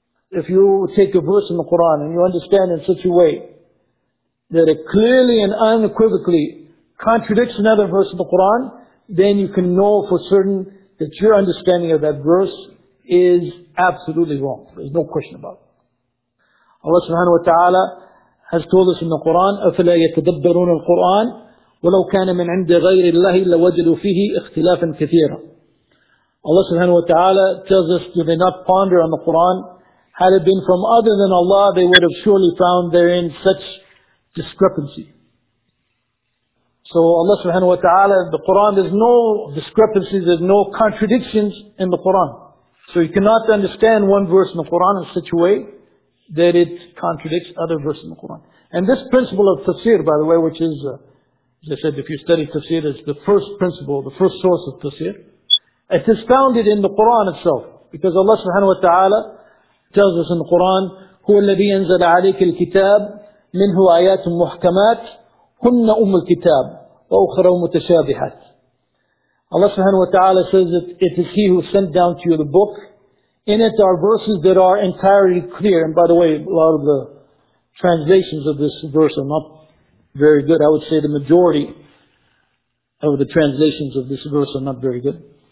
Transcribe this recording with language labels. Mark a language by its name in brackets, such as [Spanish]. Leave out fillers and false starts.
[English] If you take a verse in the Quran and you understand in such a way that it clearly and unequivocally contradicts another verse of the Quran, then you can know for certain that your understanding of that verse is absolutely wrong. There's no question about it. Allah subhanahu wa ta'ala has told us in the Quran, [Arabic] أَفَلَا يَتَدَبَّرُونَ الْقُرْآنَ وَلَوْ كَانَ مِنْ عِنْدِ غَيْرِ اللَّهِ لَوَجَدُوا فِيهِ اِخْتِلَافًا كَثِيرًا. [English] Allah subhanahu wa ta'ala tells us, do they not ponder on the Quran? Had it been from other than Allah, they would have surely found therein such discrepancy. So Allah subhanahu wa ta'ala, the Quran, there's no discrepancies, there's no contradictions in the Quran. So you cannot understand one verse in the Quran in such a way that it contradicts other verses in the Quran. And this principle of tafsir, by the way, which is, as I said, if you study tafsir, it's the first principle, the first source of tafsir. It is founded in the Quran itself. Because Allah subhanahu wa ta'ala tells us in the Quran, [Arabic] هُوَ الَّذِي أَنزَلَ عَلَيْكَ الْكِتَابِ مِنْهُ آيَاتٌ مُحْكَمَاتٌ هُنَّ أُمُّ الْكِتَابِ وَأُخْرَوْ مُتَشَابِحَاتٌ. [English] Allah subhanahu wa ta'ala says that it is He who sent down to you the book. In it are verses that are entirely clear. And by the way, a lot of the translations of this verse are not very good. I would say the majority of the translations of this verse are not very good.